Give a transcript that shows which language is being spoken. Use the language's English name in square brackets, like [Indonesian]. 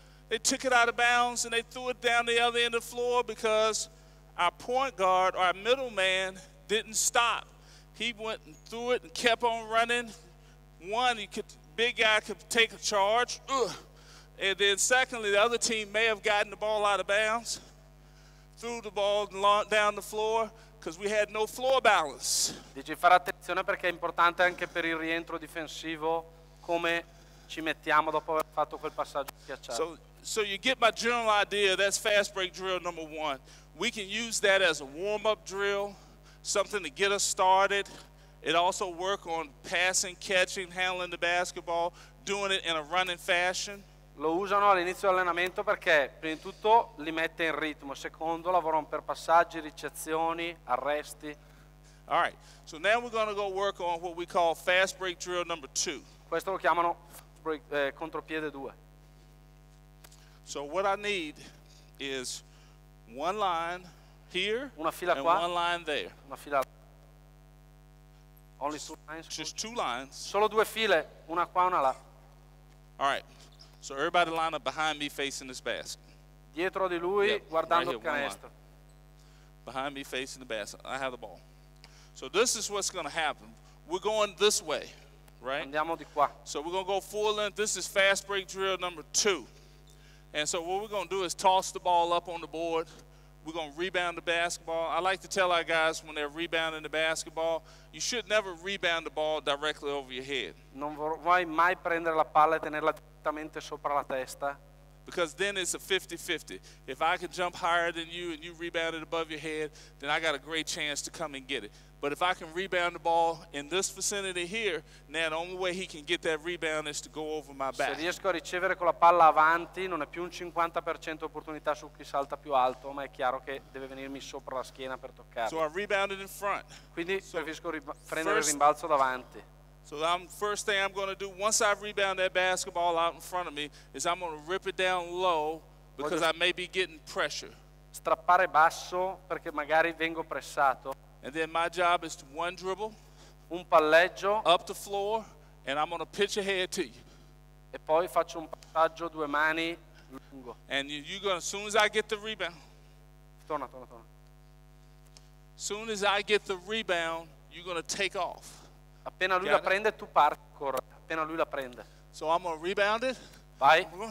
[English] They took it out of bounds and they threw it down the other end of the floor because our point guard, our middle man, didn't stop. He went and threw it and kept on running. One, big guy could take a charge. Ugh. And then secondly, the other team may have gotten the ball out of bounds, threw the ball down the floor, because we had no floor balance. [Italian] Dici fare attenzione perché è importante anche per il rientro difensivo come ci mettiamo dopo aver fatto quel passaggio schiacciato. [English] So you get my general idea, that's fast break drill number one. We can use that as a warm-up drill, something to get us started. It also work on passing, catching, handling the basketball, doing it in a running fashion. [Italian] Lo usano all'inizio dell'allenamento perché prima di tutto li mette in ritmo, secondo lavorano per passaggi, ricezioni, arresti. [English] All right. So now we're going to go work on what we call fast break drill number 2. [Italian] Questo lo chiamano contropiede 2. [English] So what I need is one line here, [Italian] una fila [English] and [Italian] qua, [English] one line there. [Italian] Una fila. [English] Only two lines. Just two lines. [Italian] Solo due file, una qua, una là. [English] All right. So everybody line up behind me facing this basket. [Italian] Dietro di lui, [English] yep, [Italian] guardando [English] right here, [Italian] il canestro. [English] Behind me facing the basket. I have the ball. So this is what's going to happen. We're going this way, right? [Italian] Andiamo di qua. [English] So we're going to go full length. This is fast break drill number 2. And so what we're going to do is toss the ball up on the board. We're going to rebound the basketball. I like to tell our guys when they're rebounding the basketball, you should never rebound the ball directly over your head. [Italian] Non vorrai mai prendere la palla e tenerla direttamente sopra la testa. [English] Because then it's a 50-50. If I can jump higher than you and you rebound it above your head, then I got a great chance to come and get it. But if I can rebound the ball in this vicinity here, now the only way he can get that rebound is to go over my back. [Italian] Se riesco a ricevere con la palla avanti, non è più un 50% opportunità su chi salta più alto, ma è chiaro che deve venirmi sopra la schiena per toccare. [English] So I rebounded in front. [Italian] Quindi preferisco prendere il rimbalzo davanti. [English] So I'm, first thing I'm going to do once I rebound that basketball out in front of me is I'm going to rip it down low because I may be getting pressure. [Italian] Strappare basso perché magari vengo pressato. [English] And then my job is to one dribble, [Italian] un palleggio, [English] up the floor, and I'm going to pitch ahead to you. [Italian] E poi faccio un passaggio due mani lungo. [English] And you're going to, as soon as I get the rebound, [Italian] torna. [English] Soon as I get the rebound, you're going to take off. [Italian] Appena lui la prende, tu parti, corre. Appena lui la prende. [English] So I'm going to rebound it. [Italian] Vai.